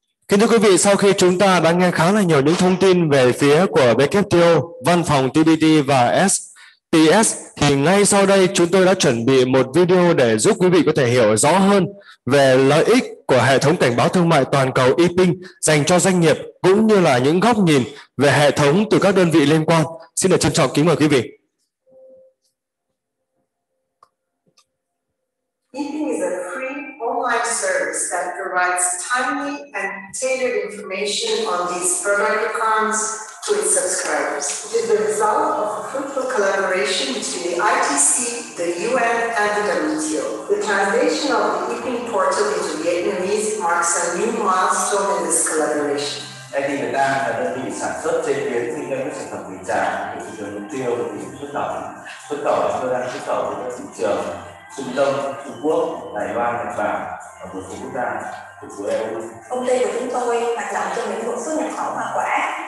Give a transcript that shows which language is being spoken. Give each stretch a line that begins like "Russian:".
Vietnamese: Kính thưa quý vị, sau khi chúng ta đã nghe khá là nhiều những thông tin về phía của WTO, văn phòng TDD và STS, thì ngay sau đây chúng tôi đã chuẩn bị một video để giúp quý vị có thể hiểu rõ hơn về lợi ích của hệ thống cảnh báo thương mại toàn cầu e-ping dành cho doanh nghiệp, cũng như là những góc nhìn về hệ thống từ các đơn vị liên quan. Xin được trân trọng kính mời quý vị.
English: Online service that provides timely and tailored information on these product requirements to its subscribers. It is the result of a fruitful collaboration between the ITC, the UN, and the WTO. The translation of the e-ping portal into Vietnamese marks a new milestone in this collaboration.
Vietnamese: Đây thì Việt Nam là đơn vị sản xuất chế biến kinh doanh các sản phẩm thủy sản để thực hiện mục tiêu của tỉnh xuất khẩu cho các xuất khẩu của các thị trường Trung Đông, Trung Quốc, Đài Loan, Nhật Bản và một số quốc gia thuộc khối EU. Công ty của chúng tôi hoạt động trong lĩnh vực xuất nhập khẩu hoa quả.